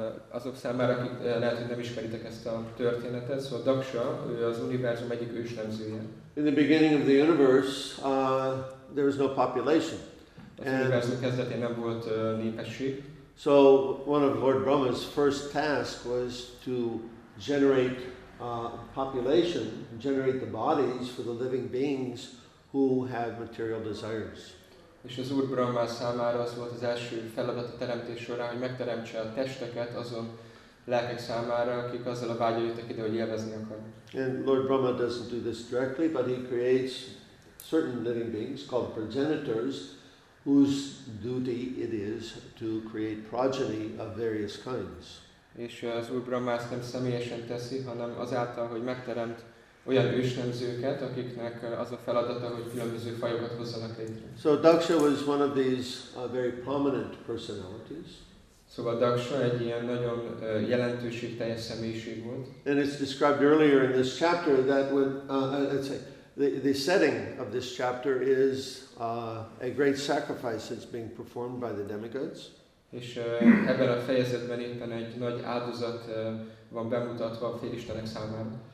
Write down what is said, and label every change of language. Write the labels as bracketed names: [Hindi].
[Hungarian] Azok számára, akik lehet, hogy nem ismeritek ezt a történetet, szóval Daksha, ő az univerzum egyik ősnemzője. [English] In the beginning of the universe, there was no population. [Hungarian] Az univerzum kezdetén nem volt népesség. [English] So one of Lord Brahma's first task was to generate population, generate the bodies for the living beings who have material desires. [Hungarian] És az Úr Brahma számára az volt az első feladat a teremtés során, hogy megteremtse a testeket azon lelkek számára, akik azzal a vágyal jöttek ide, hogy élvezni akarnak. [English] And Lord Brahma doesn't do this directly, but he creates certain living beings called progenitors, whose duty it is to create progeny of various kinds. [Hungarian] És az Úr Brahma ezt nem személyesen teszi, hanem azáltal, hogy megteremt olyan ősnemzőket, akiknek az a feladata, hogy különböző fajokat hozzanak létre. [English] So Daksha was one of these very prominent personalities. [Hungarian] Szóval Daksha egy ilyen nagyon jelentőségteljes személyiség volt. [English] And it's described earlier in this chapter that when the setting of this chapter is a great sacrifice that's being performed by the demigods. [Hungarian] És ebben a fejezetben éppen egy nagy áldozat van bemutatva a félistenek számára.